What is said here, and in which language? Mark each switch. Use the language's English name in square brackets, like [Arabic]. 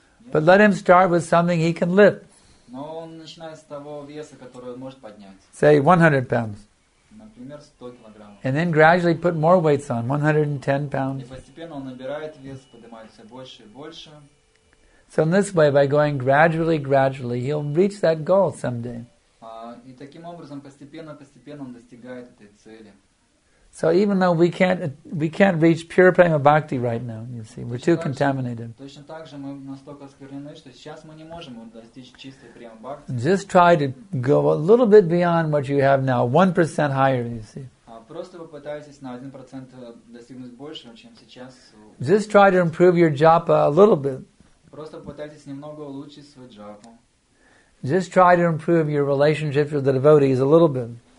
[English] But let him start with something he can lift. Say 100 pounds. [Russian] Например, 100 килограммов. [English] And then gradually put more weights on, 110 pounds. [Russian] И постепенно он набирает вес, поднимается больше и больше. [English] So in this way, by going gradually, gradually, he'll reach that goal someday. [Russian] И таким образом постепенно, постепенно он достигает этой цели. [English] So even though we can't reach pure prema bhakti right now, you see, we're too contaminated. [Russian] Точно так же мы настолько оскверненны, что сейчас мы не можем достичь чистой према бхакти. [English] Just try to go a little bit beyond what you have now, 1% higher, you see. [Russian] Просто попытайтесь на 1% достигнуть больше, чем сейчас. [English] Just try to improve your japa a little bit. [Russian] Просто попытайтесь немного улучшить свой джапу. [English] Just try to improve your relationship with the devotees a little bit.